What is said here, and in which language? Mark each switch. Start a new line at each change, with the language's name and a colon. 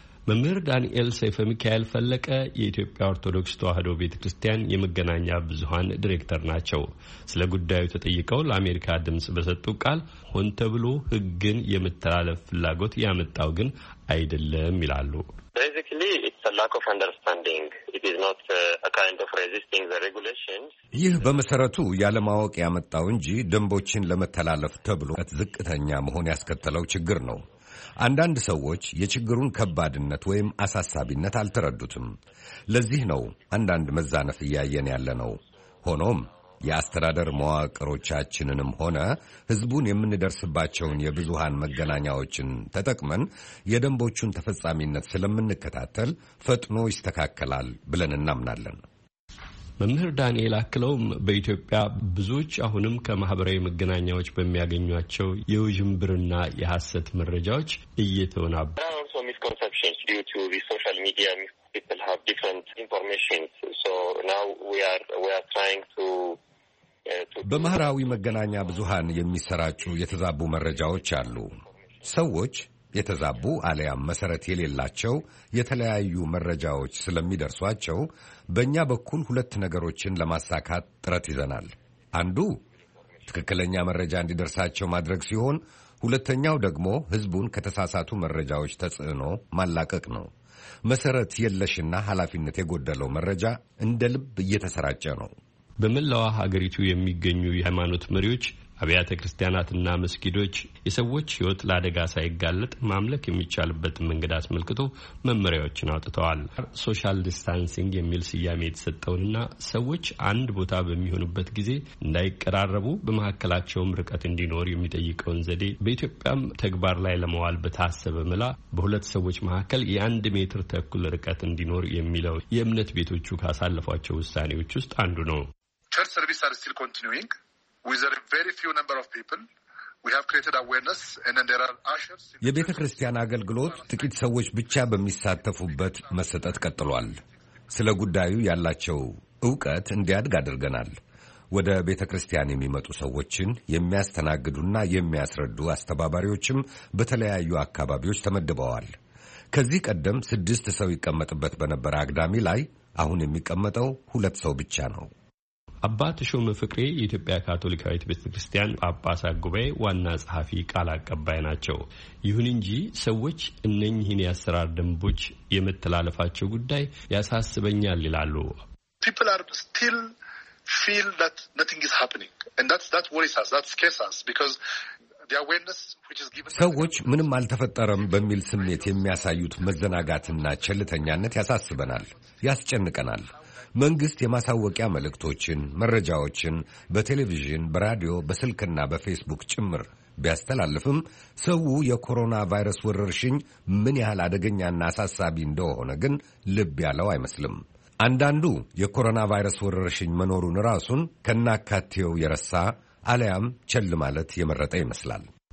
Amharic: መምህር ዳንኤል ሰይፈ ሚካኤል ፈለቀ የኢትዮጵያ ኦርቶዶክስ ተዋህዶ ቤተክርስቲያን የመገናኛ ብዙሃን ዲሬክተር ናቸው። ስለ ጉዳዩ ተጠይቀው ለአሜሪካ ድምጽ በሰጡ ቃል ሆን ተብሎ ህግን የመተላለፍ ፍላጎት ያመጣው ግን አይደለም ይላሉ።
English: Basically it's a lack of understanding. It is not a kind of resisting the regulations.
Amharic: ይህ በመሰረቱ ያለማወቅ ያመጣው እንጂ ደንቦችን ለመተላለፍ ተብሎ ዝቅተኛ መሆን ያስከተለው ችግር ነው። አንዳንድ ሰዎች የችግሩን ከባድነት ወይም አሳሳቢነት አልተረዱትም። ለዚህ ነው አንዳንድ መዛነፍ እያየን ያለነው። ሆኖም የአስተዳደር መዋቅሮቻችንንም ሆነ ህዝቡን የምንደርስባቸውን የብዙሃን መገናኛዎችን ተጠቅመን የደንቦቹን ተፈጻሚነት ስለምንከታተል ፈጥኖ ይስተካከላል ብለን እናምናለን። መምህር ዳንኤል አክለውም በኢትዮጵያ ብዙዎች አሁንም ከማህበራዊ መገናኛዎች በሚያገኙቸው የውዥንብርና የሐሰት መረጃዎች እየተወናበ
English: people have different information, so now we are trying to
Amharic: በማህበራዊ መገናኛ ብዙሃን የሚሰራጩ የተዛቡ መረጃዎች አሉ። ሰዎች የተዛቡ አለያም መሰረት የሌላቸው የተለያዩ መረጃዎች ስለሚደርሷቸው በእኛ በኩል ሁለት ነገሮችን ለማሳካት ጥረት ይዘናል። አንዱ ትክክለኛ መረጃ እንዲደርሳቸው ማድረግ ሲሆን፣ ሁለተኛው ደግሞ ህዝቡን ከተሳሳቱ መረጃዎች ተጽዕኖ ማላቀቅ ነው። መሰረት የለሽና ሐላፊነት የጎደለው መረጃ እንደ ልብ እየተሰራጨ ነው። በመላው ሀገሪቱ የሚገኙ የሃይማኖት መሪዎች፣ አብያተ ክርስቲያናትና መስጊዶች የሰዎች ህይወት ለአደጋ ሳይጋለጥ ማምለክ የሚቻልበት መንገድ አስመልክቶ መመሪያዎችን አውጥተዋል። ሶሻል ዲስታንሲንግ የሚል ስያሜ የተሰጠውና ሰዎች አንድ ቦታ በሚሆኑበት ጊዜ እንዳይቀራረቡ በመሐከላቸውም ርቀት እንዲኖር የሚጠይቀውን ዘዴ በኢትዮጵያም ተግባር ላይ ለመዋል በታሰበ መላ በሁለት ሰዎች መሐከል የአንድ ሜትር ተኩል ርቀት እንዲኖር የሚለው የእምነት ቤቶቹ ካሳለፏቸው ውሳኔዎች ውስጥ አንዱ ነው።
English: ቸርች ሰርቪስ አር ስቲል ኮንቲኒዩንግ with a very few number of people we have created awareness and then there are ushers
Amharic: የቤተ ክርስቲያን አገልግሎት ጥቂት ሰዎች ብቻ በሚሳተፉበት መሰጠት ቀጥሏል። ስለ ጉዳዩ ያላቸው እውቀት እንዲያድግ አድርገናል። ወደ ቤተ ክርስቲያን የሚመጡ ሰዎችን የሚያስተናግዱና የሚያስረዱ አስተባባሪዎችም በተለያዩ አካባቢዎች ተመድበዋል። ከዚህ ቀደም 6 ሰው ይቀመጥበት በነበረ አግዳሚ ላይ አሁን የሚቀመጠው 2 ሰው ብቻ ነው። አባት ሾመ ፍቅሬ የኢትዮጵያ ካቶሊካዊት ቤተክርስቲያን ጳጳሳት ጉባኤ ዋና ጸሐፊ ቃል አቀባይ ናቸው። ይሁን እንጂ ሰዎች እነኚህን ያሰራር ደንቦች የመተላለፋቸው ጉዳይ ያሳስበኛል ይላሉ።
English: People are still feel that nothing is happening and that worries us, that scares us because the awareness which is given
Amharic: ሰዎች ምንም አልተፈጠረም በሚል ስሜት የሚያሳዩት መዘናጋትና ቸልተኛነት ያሳስበናል፣ ያስጨንቀናል። መንግስት የማሳወቂያ መልእክቶችን፣ መረጃዎችን በቴሌቪዥን፣ በራዲዮ፣ በስልክና በፌስቡክ ጭምር ቢያስተላልፍም ሰው የኮሮና ቫይረስ ወረርሽኝ ምን ያህል አደገኛና አሳሳቢ እንደሆነ ግን ልብ ያለው አይመስልም። አንዳንዱ የኮሮና ቫይረስ ወረርሽኝ መኖሩን ራሱን ከናካቴው የረሳ አለያም ቸል ማለት የመረጠ ይመስላል።